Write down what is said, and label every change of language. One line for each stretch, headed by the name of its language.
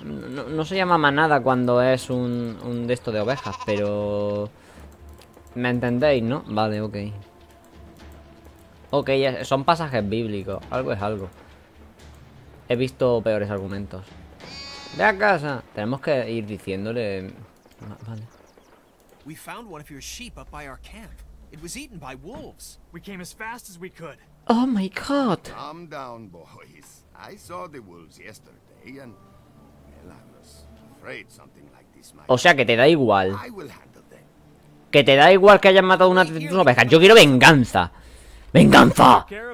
Spanish: No se llama manada cuando es un de estos de ovejas, pero... ¿Me entendéis, no? Vale, ok. Ok, son pasajes bíblicos. Algo es algo. He visto peores argumentos. ¡Ve a casa! Tenemos que ir diciéndole. Vale.
English: We found one of your sheep up by our camp. It was eaten by wolves. We came as fast as we could. Oh my God. Calm down, boys. I saw the wolves yesterday and, well, I was afraid something like this might
Spanish: O sea, que te da igual.
English: happen. I will handle them.
Spanish: Que te da igual que hayan matado una de tus ovejas. Yo quiero venganza. ¡Venganza!